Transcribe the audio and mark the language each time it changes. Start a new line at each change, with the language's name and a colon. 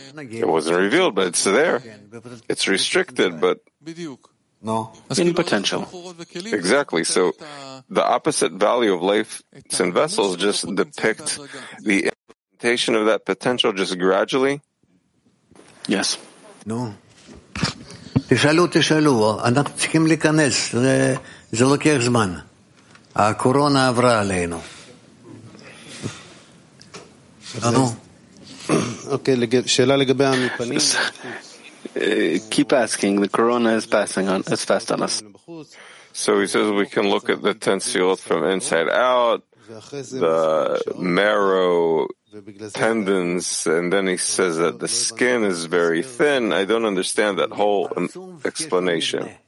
English: It wasn't revealed, but it's there. It's restricted, but no. In potential. Exactly. So the opposite value of life and vessels just depict the implementation of that potential just gradually? Yes. No.
Hebrew: תשאלו, אנחנו צריכים להיכנס, זה לוקח זמן. הקורונה עברה עלינו. Okay, שאלה לגבי המפנים.
English: Keep asking, the corona is passing on, is fast on us. So he says we can look at the tensiot from inside out, the marrow, tendons, and then he says that the skin is very thin. I don't understand that whole explanation.